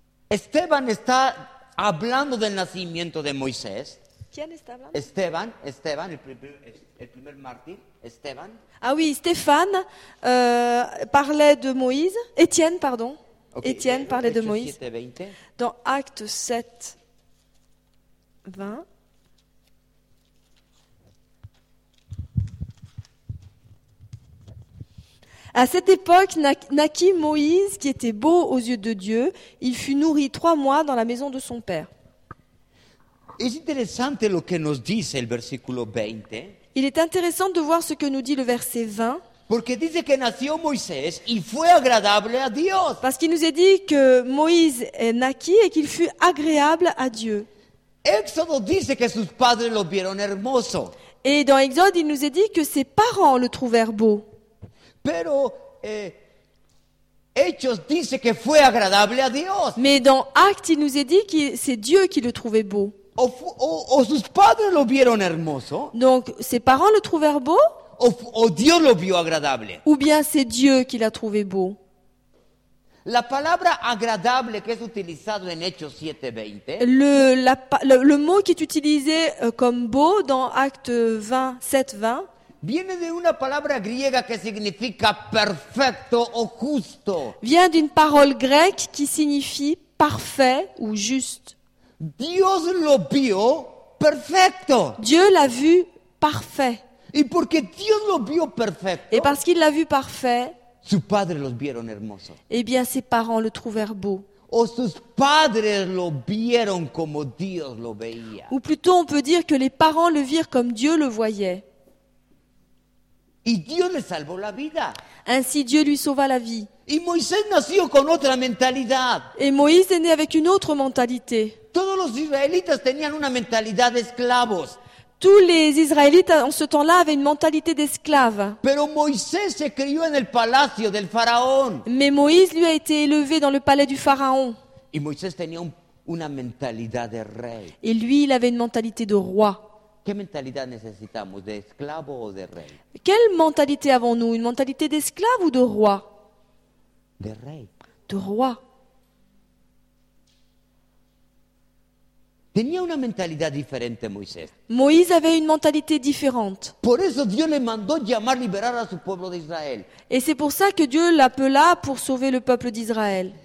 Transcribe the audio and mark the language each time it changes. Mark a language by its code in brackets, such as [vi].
[es] Esteban está hablando del nacimiento de Moisés. ¿Quién está hablando? Esteban, el primer mártir, Esteban. [fr] Ah oui, Stéphane parlait de Moïse. Étienne, pardon. Okay. Étienne parlait de Moïse. 7, 20. Dans Actes 7, 20. À cette époque, naquit Moïse, qui était beau aux yeux de Dieu. Il fut nourri 3 mois dans la maison de son père. [es] Es interesante lo que nos dice el versículo 20. [fr] Il est intéressant de voir ce que nous dit le verset 20. [es] Porque dice que nació Moisés y fue agradable a Dios. [fr] Parce qu'il nous est dit que Moïse est naquit et qu'il fut agréable à Dieu. [es] Éxodo dice que sus padres lo vieron hermoso. [fr] Et dans Exode, il nous est dit que ses parents le trouvèrent beau. [es] Pero Hechos dice que fue agradable a Dios. [fr] Mais dans Actes, il nous est dit que c'est Dieu qui le trouvait beau. [es] O sus padres lo vieron hermoso. [fr] Donc ses parents le trouvèrent beau. [es] o Dios lo vio agradable. [fr] Ou bien c'est Dieu qui l'a trouvé beau. [es] La palabra agradable que es utilizado en Hechos 7:20. [fr] Le mot qui est utilisé comme beau dans Actes 7:20. [es] Viene de una palabra griega que significa perfecto o justo. [fr] Vient d'une parole grecque qui signifie parfait ou juste. [es] Dios lo vio perfecto. [fr] Dieu l'a vu parfait. [es] Y porque Dios lo vio perfecto. [fr] Et parce qu'il l'a vu parfait. [es] Sus padres lo vieron hermoso. [fr] Eh bien, ses parents le trouvèrent beau. [es] O sus padres lo vieron como Dios lo veía. [fr] Ou plutôt, on peut dire que les parents le virent comme Dieu le voyait. [es] Y Dios le salvó la vida. [fr] Ainsi Dieu lui sauva la vie. [es] Y Moisés nació con otra mentalidad. [fr] Et Moïse est né avec une autre mentalité. [es] Todos los israelitas tenían una mentalidad de esclavos. [fr] Tous les Israélites en ce temps-là avaient une mentalité d'esclave. [es] Pero Moisés se crió en el palacio del faraón. [fr] Mais Moïse lui a été élevé dans le palais du pharaon. [es] Y Moisés tenía una mentalidad de rey. [fr] Et lui, il avait une mentalité de roi. [es] ¿Qué mentalidad necesitamos, de esclavo o de rey? [fr] Quelle mentalité avons-nous, une mentalité d'esclave ou de roi? [es] De rey. [fr] De roi. [es] Tenía una mentalidad diferente Moisés. [fr] Moïse avait une mentalité différente. [es] Por eso Dios le mandó llamar liberar a su pueblo de Israel. [fr] Et c'est pour ça que Dieu l'appela pour sauver le peuple d'Israël.